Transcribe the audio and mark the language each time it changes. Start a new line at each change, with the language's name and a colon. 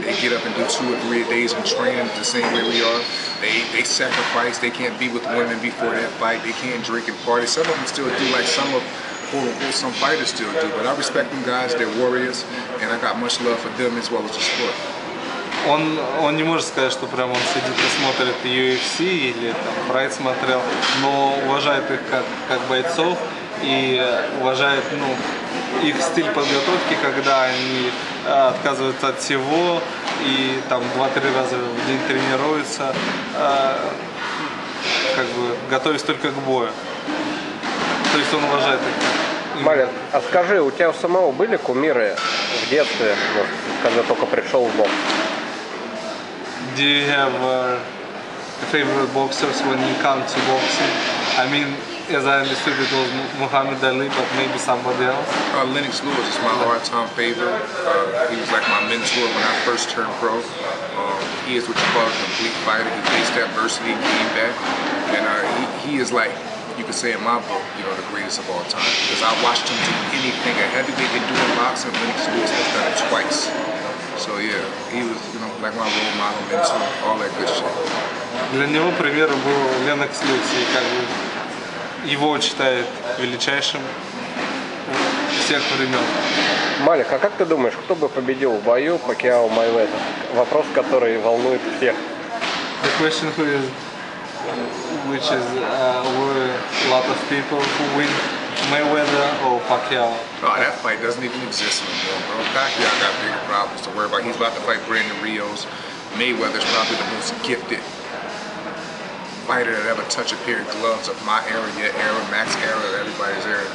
English: They get up and do 2 or 3 days in training, the same way we are. They sacrifice. They can't be with women before that fight. They can't drink and party. Some of them still do, like some of, quote unquote, some fighters still do. But I respect them guys. They're warriors, and I got much love for them as well as the sport.
Russian: Он не может сказать, что прям он сидит и смотрит UFC или там Прайд смотрел, но уважает их как бойцов и уважает, ну, их стиль подготовки, когда они отказываются от всего и там 2-3 раза в день тренируются, как бы готовясь только к бою. То есть он уважает их. Малик, а скажи, у тебя у самого были кумиры в детстве, вот, когда только пришел в бокс?
English: Do you have favorite boxers when you come to boxing? I mean, as I understood, it was Muhammad Ali, but maybe somebody else. Leннокс Льюис is my all-time favorite. He was like my mentor when I first turned pro. He is what you call a complete fighter. He faced adversity, came back, and he is like, you could say in my book, you know, the greatest of all time. Because I watched him do anything at heavyweight and do in boxing. Leннокс Льюис has done it twice. So yeah, he was, you know, like my role model, mentor, all that good shit.
Russian: Для него примером был Леннокс Льюис, и как бы его считают величайшим всех времен. Малик, а как ты думаешь, кто бы победил в бою Пакьяо Майвезер? Вопрос, который волнует всех.
English: The question who is, which is, were a lot of people who win. Mayweather or Pacquiao? Oh, that fight doesn't even exist anymore, bro. Pacquiao got bigger problems to worry about. He's about to fight Brandon Rios. Mayweather's probably the most gifted fighter that ever touched a pair of gloves of my era, your era, Max era, everybody's era.